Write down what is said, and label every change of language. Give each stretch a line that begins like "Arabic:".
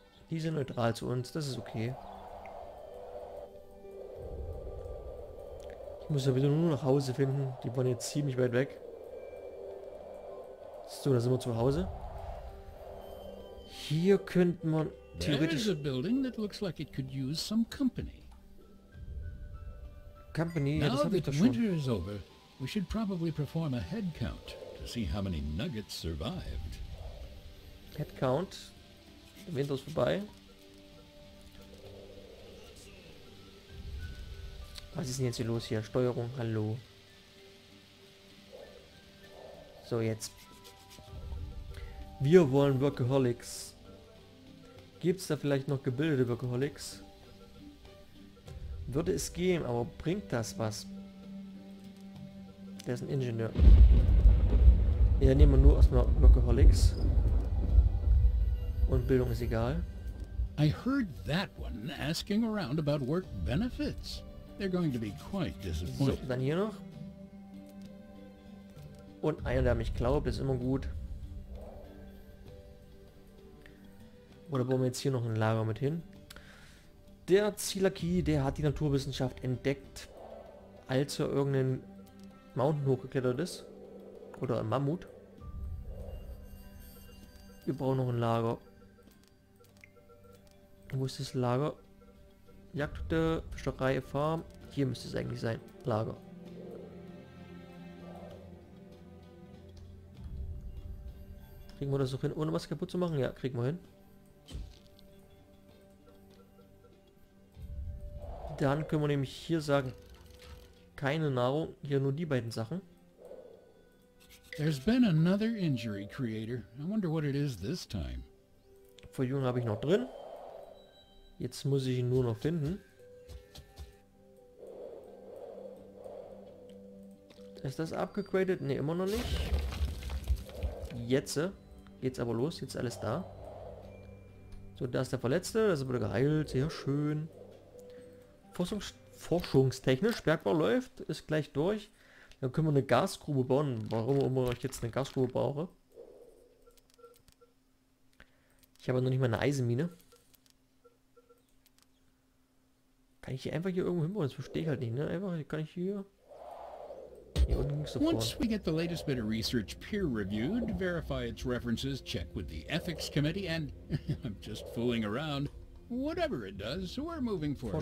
German: Die sind neutral zu uns. Das ist okay. Ich muss ja wieder nur nach Hause finden. Die waren jetzt ziemlich weit weg. So, da sind wir zu Hause. Hier könnte man theoretisch...
English: There is a building that looks like it could use some company.
German: Company, ja, das habe ich doch schon.
English: Winter is over, we should probably perform a head count to see how many nuggets survived. Head count.
German: Winter ist vorbei. Was ist denn jetzt hier los hier? Steuerung, hallo. So, jetzt. Wir wollen Workaholics. Gibt es da vielleicht noch gebildete Workaholics? Würde es gehen, aber bringt das was? Der ist ein Ingenieur. Ja, nehmen wir nur erstmal Workaholics. Und Bildung ist egal.
English: I heard that one asking around about work benefits. They're going to be quite disappointed.
German: So, dann hier noch. Und einer, der mich glaubt, ist immer gut. Oder bauen wir jetzt hier noch ein Lager mit hin? Der Zilaki, der hat die Naturwissenschaft entdeckt, als er irgendeinen Mountain hochgeklettert ist. Oder ein Mammut. Wir brauchen noch ein Lager. Wo ist das Lager? Jagd, Fischerei, Farm. Hier müsste es eigentlich sein. Lager. Kriegen wir das noch hin, ohne was kaputt zu machen? Ja, kriegen wir hin. Dann können wir nämlich hier sagen, keine Nahrung, hier nur die beiden Sachen.
English: There's been another injury creator. I wonder what it is this time.
German: Verjüngung habe ich noch drin. Jetzt muss ich ihn nur noch finden. Ist das abgegradet? Ne, immer noch nicht. Jetzt geht's aber los. Jetzt alles da. So, da ist der Verletzte. Das wurde geheilt. Sehr schön. Forschungstechnisch, Bergbau läuft, ist gleich durch. Dann können wir eine Gasgrube bauen. Warum immer ich jetzt eine Gasgrube brauche. Ich habe noch nicht mal eine Eisenmine. Kann ich hier einfach hier irgendwo hinbauen? Das verstehe ich halt nicht, ne? Einfach kann ich hier... Hier unten ging's sofort.
English: Once we get the latest bit of research peer-reviewed, verify its references, check with the ethics committee and... I'm just fooling around. Whatever it does, we're moving forward.